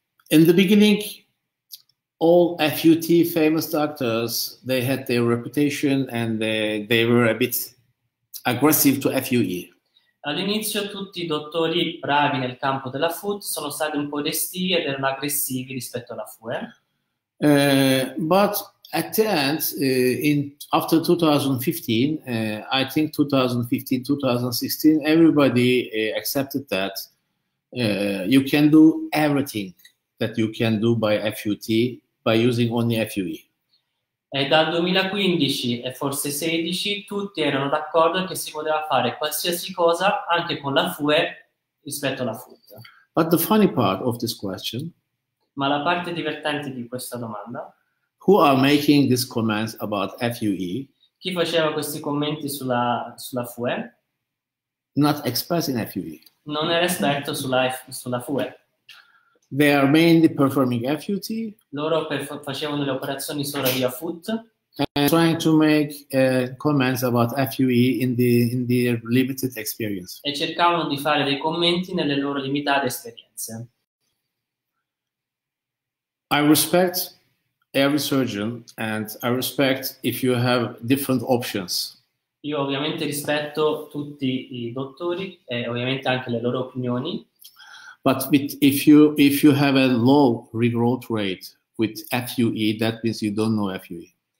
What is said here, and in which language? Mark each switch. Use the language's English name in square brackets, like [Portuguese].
[English] In the beginning all FUT famous doctors they had their reputation and they were a bit aggressive to FUE. [Italian] All'inizio tutti i dottori bravi nel campo della FUT sono stati un po' restii ed erano aggressivi rispetto alla FUE. [English] But at the end, after 2015, I think 2015, 2016, everybody accepted that you can do everything that you can do by FUT by using only FUE. [Italian] E dal 2015 e forse 16 tutti erano d'accordo che si poteva fare qualsiasi cosa anche con la FUE rispetto alla FUT. [English] But the funny part of this question, [Italian] ma la parte divertente di questa domanda, [English] who are making these comments about FUE? [Italian] Chi faceva questi commenti sulla FUE? [English] Not expert in FUE. [Italian] Non era esperto sulla FUE. [English] They are mainly performing FUT. [Italian] Loro facevano le operazioni solo via FUT. [English] And trying to make comments about FUE in the limited experience. [Italian] E cercavano di fare dei commenti nelle loro limitate esperienze. [English] I respect every surgeon and I respect if you have different options. [Italian] Io ovviamente rispetto tutti i dottori e ovviamente anche le loro opinioni. [English] But if you have a low regrowth rate with FUE, that means you don't know FUE.